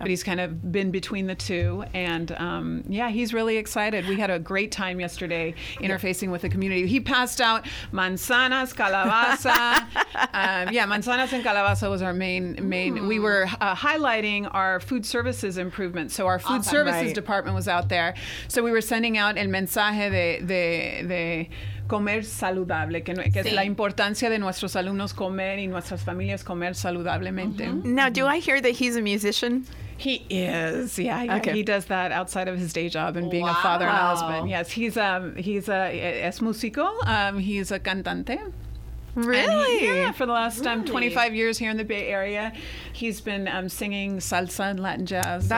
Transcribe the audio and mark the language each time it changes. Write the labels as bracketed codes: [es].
[en] But he's kind of been between the two. And he's really excited. We had a great time yesterday interfacing with the community. He passed out manzanas, calabaza. manzanas and calabaza was our main. Mm. We were highlighting our food services improvements. So our food services department was out there. [es] So we were sending out el mensaje de comer saludable, que es la importancia de nuestros alumnos comer y nuestras familias comer saludablemente. Mm-hmm. [en] Now, do I hear that he's a musician? He is, yeah. Okay. He does that outside of his day job and being a father and husband. Yes, he's músico. He's a cantante. Really? For the last 25 years here in the Bay Area, he's been singing salsa and Latin jazz.